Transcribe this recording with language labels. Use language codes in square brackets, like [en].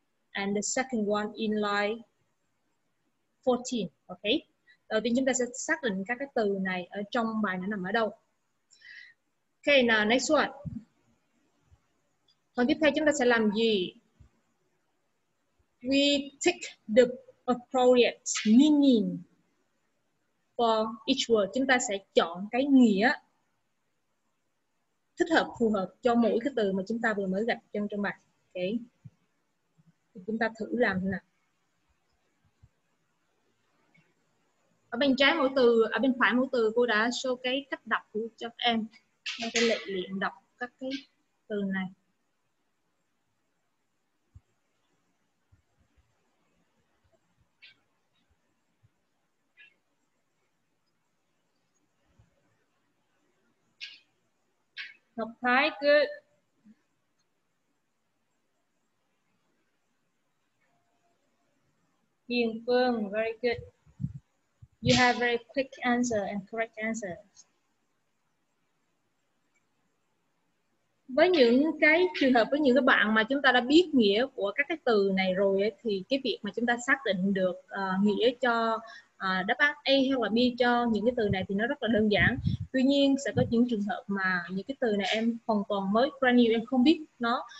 [en] And the second one, in line 14, okay. [vi] Đầu tiên chúng ta sẽ xác định các cái từ này ở trong bài nó nằm ở đâu. [en] Okay, now next one. [vi] Phần tiếp theo chúng ta sẽ làm gì? [en] We take the appropriate meaning for each word. [vi] Chúng ta sẽ chọn cái nghĩa thích hợp, phù hợp cho mỗi cái từ mà chúng ta vừa mới gặp trong bài. Okay. Thì chúng ta thử làm thế nào. Ở bên trái mỗi từ, ở bên phải mỗi từ cô đã show cái cách đọc của cho các em, nên cái lệ luyện đọc các cái từ này. [en] Ngọc Thái, good. Hiền Phương, very good. You have very quick answer and correct answer. [vi] Với những cái trường hợp, với những cái bạn mà chúng ta đã biết nghĩa của các cái từ này rồi ấy, thì cái việc mà chúng ta xác định được nghĩa cho đáp án A hay là B cho những cái từ này thì nó rất là đơn giản. Tuy nhiên sẽ có những trường hợp mà những cái từ này em hoàn toàn mới, brand new, em không biết nó.